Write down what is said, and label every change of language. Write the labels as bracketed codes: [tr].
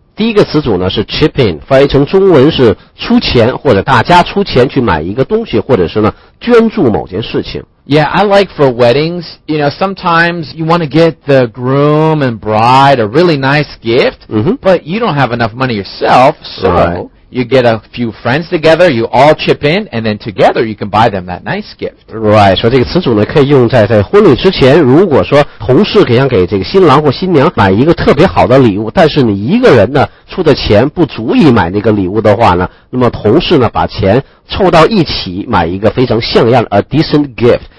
[zh] 第一个词组呢是 [en] chip in, [zh] 翻译成中文是出钱或者大家出钱去买一个东西或者是呢捐助某件事情。 [en] Yeah, I like for weddings, you know, sometimes you want to get the groom and bride a really nice gift,、 mm-hmm. but you don't have enough money yourself, so、 right. you get a few friends together, you all chip in, and then together you can buy them that nice gift. [zh] Right, 所以这个词组呢可以用在婚礼之前，如果说同事想给这个新郎或新娘买一个特别好的礼物，但是你一个人呢出的钱不足以买那个礼物的话呢，那么同事呢把钱凑到一起买一个非常像样的 [en] a decent gift.